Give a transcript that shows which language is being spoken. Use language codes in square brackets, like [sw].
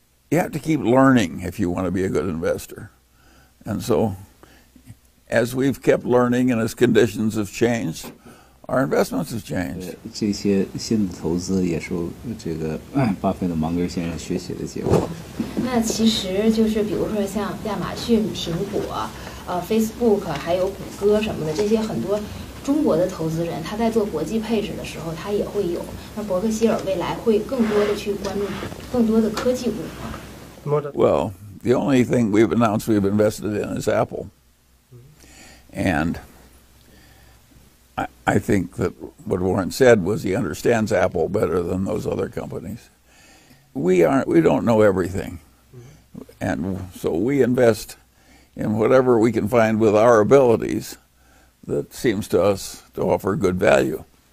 [en] You have to keep learning if you want to be a good investor. And so...As we've kept learning and as conditions have changed, our investments have changed. [zh] 这些新的投资也是这个巴菲特、芒格先生学习的结果。那其实就是比如说像亚马逊、苹果、Facebook，还有谷歌什么的，这些很多中国的投资人他在做国际配置的时候，他也会有。那伯克希尔未来会更多的去关注更多的科技股吗？ [en] Well, the only thing we've announced we've invested in is Apple. And I think that what Warren said was he understands Apple better than those other companies. We don't know everything. And so we invest in whatever we can find with our abilities that seems to us to offer good value.